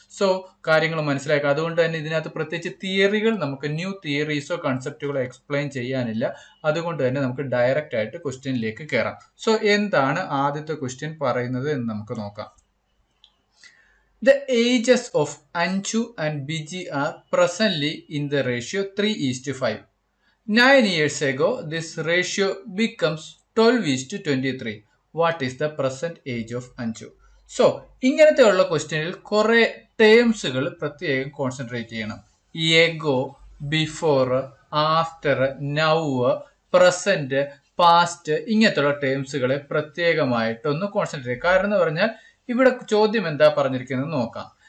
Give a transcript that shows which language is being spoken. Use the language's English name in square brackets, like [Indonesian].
[Malayalam] So കാര്യങ്ങൾ മനസ്സിലാക്കുക. അതുകൊണ്ട് തന്നെ ഇതിനകത്ത് പ്രത്യേകിച്ച് തിയറികൾ, നമുക്ക് ന്യൂ തിയറീസോ കൺസെപ്റ്റുകളോ എക്സ്പ്ലെയിൻ ചെയ്യാനില്ല. അതുകൊണ്ട് തന്നെ നമുക്ക് ഡയറക്റ്റ് ആയിട്ട് ക്വസ്റ്റ്യനിലേക്ക് കയറാം. സോ എന്താണ് ആദ്യത്തെ ക്വസ്റ്റ്യൻ പറയുന്നത് എന്ന് നമുക്ക് നോക്കാം. [English] The ages of Anju and Biji are presently in the ratio 3:5. 9 years ago, this ratio becomes 12:23. What is the present age of Anju? [Malayalam] So, ഇങ്ങനത്തെ ഉള്ള ക്വസ്റ്റ്യനിൽ കുറേ ടേംസുകൾ പ്രത്യേകം കോൺസെൻട്രേറ്റ് ചെയ്യണം. Ago, before, after, now, present, past, ഇങ്ങനത്തെയുള്ള ടേംസുകളെ പ്രത്യേകമായിട്ടൊന്ന് concentrate ചെയ്യുക. കാരണം എന്ന് പറഞ്ഞാൽ ഇവിടെ ചോദ്യം എന്താ പറഞ്ഞിരിക്കുന്നത് നോക്കാം.